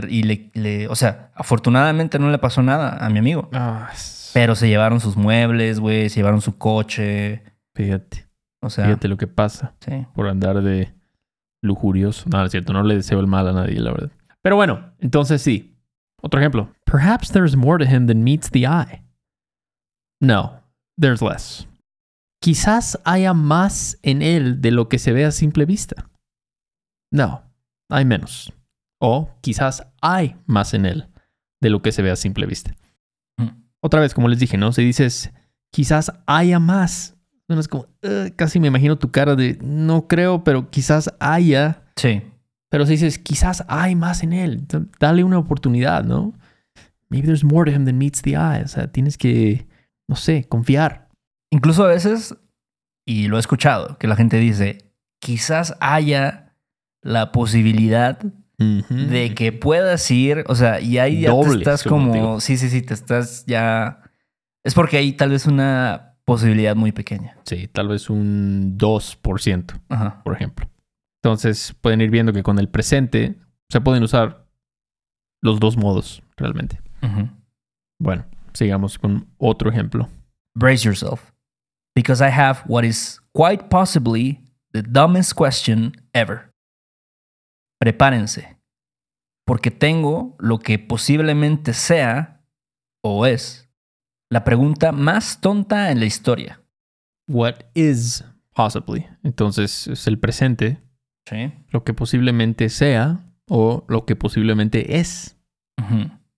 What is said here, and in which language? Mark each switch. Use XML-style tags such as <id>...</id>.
<es>No. Y le o sea, afortunadamente no le pasó nada a mi amigo. Ah, pero se llevaron sus muebles, güey. Se llevaron su coche. Fíjate. O sea... Fíjate lo que pasa. Sí. Por andar de lujurioso. No, es cierto. No le deseo el mal a nadie, la verdad. Pero bueno, entonces sí. Otro ejemplo.</es> <en>Perhaps there's more to him than meets the eye. No, there's less.</en> <es>Quizás haya más en él de lo que se ve a simple vista. No, hay menos. O quizás hay más en él de lo que se ve a simple vista. Otra vez, como les dije, ¿no? Si dices, quizás haya más. Bueno, es como, casi me imagino tu cara de, no creo, pero quizás haya. Sí. Pero si dices, quizás hay más en él. Dale una oportunidad, ¿no?</es> <en>Maybe there's more to him than meets the eye.</en> <es>O sea, tienes que... No sé, confiar. Incluso a veces, y lo he escuchado, que la gente dice, quizás haya la posibilidad de que puedas ir. O sea, y ahí ya doble, te estás como... Motivo. Sí, te estás ya... Es porque hay tal vez una posibilidad muy pequeña. Sí, tal vez un 2%, ajá, por ejemplo. Entonces, pueden ir viendo que con el presente se pueden usar los dos modos realmente. Ajá. Bueno. Sigamos con otro ejemplo.</es> <en>Brace yourself, because I have what is quite possibly the dumbest question ever.</en> <es>Prepárense, porque tengo lo que posiblemente sea o es la pregunta más tonta en la historia.</es> <en>What is possibly?</en> <es>Entonces es el presente. Sí. Lo que posiblemente sea o lo que posiblemente es. Uh-huh.</es>